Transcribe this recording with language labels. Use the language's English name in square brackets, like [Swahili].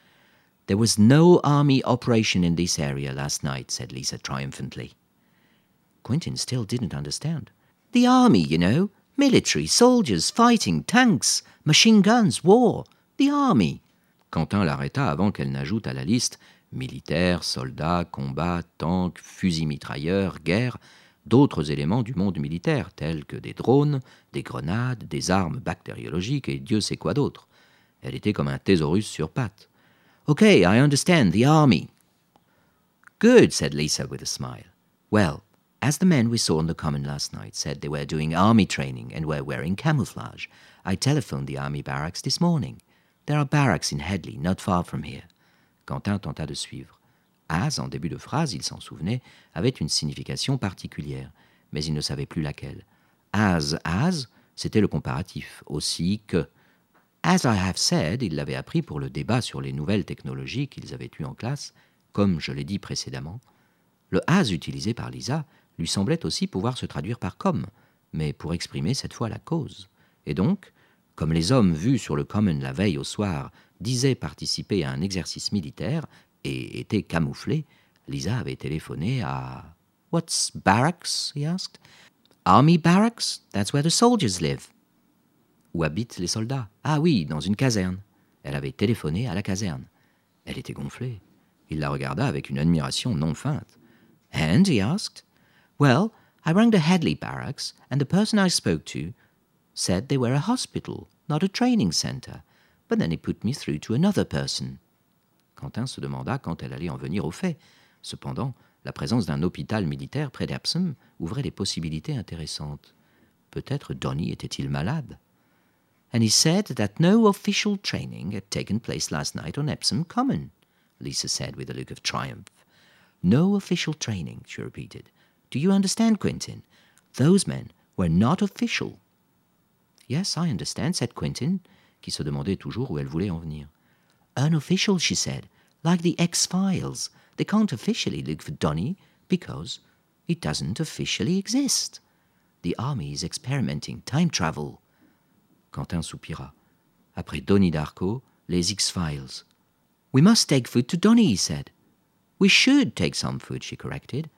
[English] « There was no army operation in this area last night, » said Lisa triumphantly. Quentin still didn't understand. « The army, you know. Military, soldiers, fighting, tanks, machine guns, war, the army. » [French] Quentin l'arrêta avant qu'elle n'ajoute à la liste « militaires, soldats, combats, tanks, fusils mitrailleurs, guerre, d'autres éléments du monde militaire, tels que des drones, des grenades, des armes bactériologiques et Dieu sait quoi d'autre. » Elle était comme un thésaurus sur pattes. [English] « Ok, I understand, the army. »« Good, » said Lisa with a smile. « Well, as the men we saw on the common last night said they were doing army training and were wearing camouflage, I telephoned the army barracks this morning. There are barracks in Headley, not far from here. » [French] Quentin tenta de suivre. As, en début de phrase, il s'en souvenait, avait une signification particulière, mais il ne savait plus laquelle. As, c'était le comparatif, aussi que. [English] As I have said, [French] il l'avait appris pour le débat sur les nouvelles technologies qu'ils avaient eues en classe, comme je l'ai dit précédemment. Le « as » utilisé par Lisa lui semblait aussi pouvoir se traduire par « comme », mais pour exprimer cette fois la cause. Et donc, comme les hommes vus sur le common la veille au soir disaient participer à un exercice militaire et étaient camouflés, Lisa avait téléphoné à [English] « What's barracks ?» he asked. « Army barracks ? That's where the soldiers live. » [French] Où habitent les soldats ? Ah oui, dans une caserne. Elle avait téléphoné à la caserne. Elle était gonflée. Il la regarda avec une admiration non feinte. [English] « And ?» he asked. « Well, I rang the Headley barracks, and the person I spoke to said they were a hospital, not a training center. But then he put me through to another person. » [French] Quentin se demanda quand elle allait en venir au fait. Cependant, la présence d'un hôpital militaire près d'Epsom ouvrait des possibilités intéressantes. Peut-être Donnie était-il malade. [English] « And he said that no official training had taken place last night on Epsom Common, » Lisa said with a look of triumph. « No official training, » she repeated. « Do you understand, Quentin? Those men were not official. »« Yes, I understand, » said Quentin, [French] qui se demandait toujours où elle voulait en venir. [English] « Unofficial, » she said, « like the X-Files. They can't officially look for Donnie because it doesn't officially exist. The army is experimenting time travel. » [French] Quentin soupira. Après Donnie Darko, les X-Files. [English] « We must take food to Donnie, » he said. « We should take some food, » she corrected.